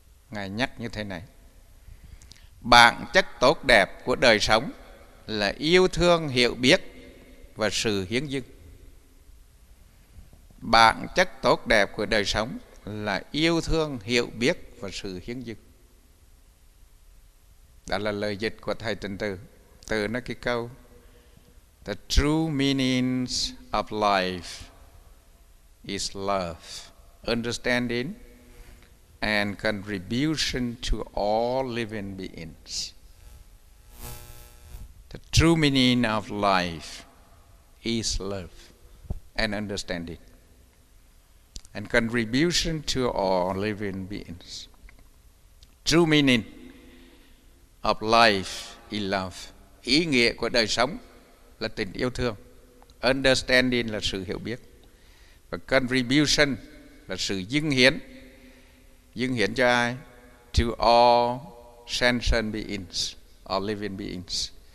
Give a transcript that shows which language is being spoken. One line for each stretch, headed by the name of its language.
Vietnamese: Ngài nhắc như thế này: bản chất tốt đẹp của đời sống là yêu thương, hiểu biết và sự hiến dâng. Bản chất tốt đẹp của đời sống là yêu thương, hiểu biết và sự hiến dâng. Đó là lời dịch của Thầy Tịnh Từ. Từ nói cái câu:
English: the true meaning of life is love, understanding and contribution to all living beings. The true meaning of life is love and understanding and contribution to all living beings. True meaning of life is love.
Vietnamese: Ý nghĩa của đời sống là tình yêu thương. Understanding là sự hiểu biết. Và contribution là sự dâng hiến. Dâng hiến cho ai?
English: To all sentient beings, all living beings.